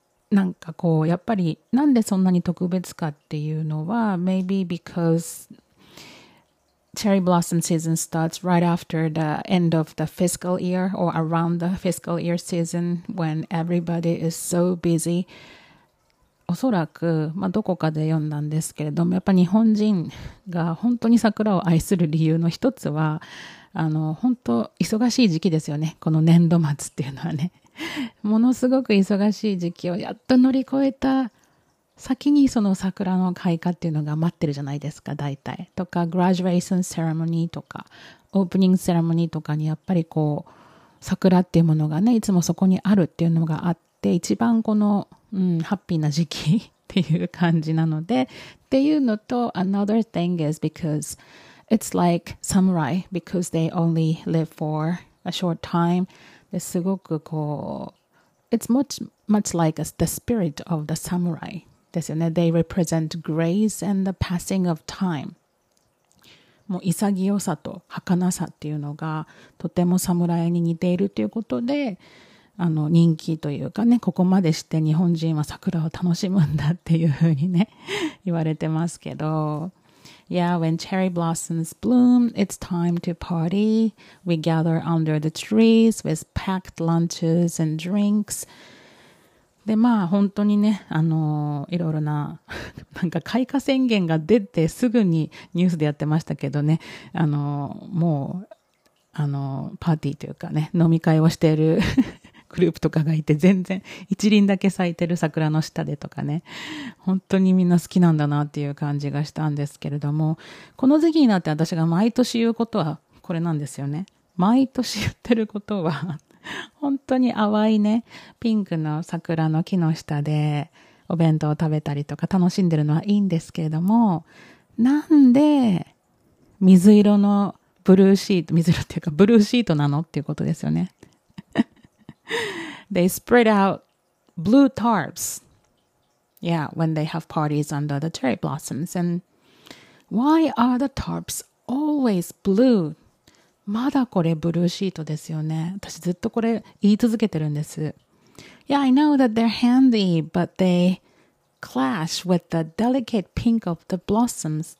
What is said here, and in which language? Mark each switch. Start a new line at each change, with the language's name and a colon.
Japanese: なんかこうやっぱりなんでそんなに特別かっていうのは
English: maybe because cherry blossom season starts right after the end of the fiscal year or around the fiscal year season when everybody is so busy.
Japanese: おそらく、まあ、どこかで読んだんですけれどもやっぱ日本人が本当に桜を愛する理由の一つは本当忙しい時期ですよね、この年度末っていうのはね。ものすごく忙しい時期をやっと乗り越えた先にその桜の開花っていうのが待ってるじゃないですか、大体。とか、グラジュエーションセレモニーとか、オープニングセレモニーとかに、やっぱりこう、桜っていうものがね、いつもそこにあるっていうのがあって、一番この、うん、ハッピーな時期っていう感じなので、っていうのと、
English: another thing is because it's like samurai, because they only live for a short time.
Japanese: ですごくこう、
English: it's much, much like the spirit of the samurai.
Japanese: ですよね、
English: They represent grace and the passing of time.
Japanese: もう潔さと儚さっていうのがとても侍に似ているということで、あの人気というかね、ここまでして日本人は桜を楽しむんだっていうふうにね言われてますけど、
English: Yeah, when cherry blossoms bloom, it's time to party. We gather under the trees with packed lunches and drinks.
Japanese: でまあ本当にね、いろいろな、なんか開花宣言が出てすぐにニュースでやってましたけどね、もう、パーティーというかね、飲み会をしているグループとかがいて、全然一輪だけ咲いてる桜の下でとかね、本当にみんな好きなんだなっていう感じがしたんですけれども、この時期になって私が毎年言うことはこれなんですよね。毎年言ってることは、本当に淡いねピンクの桜の木の下でお弁当を食べたりとか楽しんでるのはいいんですけれども、なんで水色のブルーシート、水色っていうかブルーシートなのっていうことですよね。
English: They spread out blue tarps. Yeah, when they have parties under the cherry blossoms. And why are the tarps always blue?
Japanese: まだこれブルーシートですよね。私ずっとこれ言い続けてるんです。
English: Yeah, I know that they're handy, but they clash with the delicate pink of the blossoms.